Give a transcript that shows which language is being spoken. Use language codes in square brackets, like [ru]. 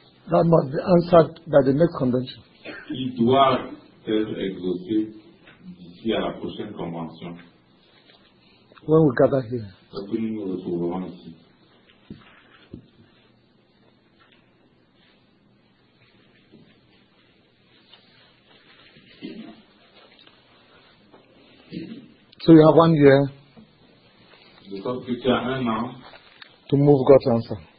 [en] That must be answered by the next convention. [fr] Il doit être exaucé d'ici à la prochaine convention. [en] When we gather here. So you have 1 year to move God's answer.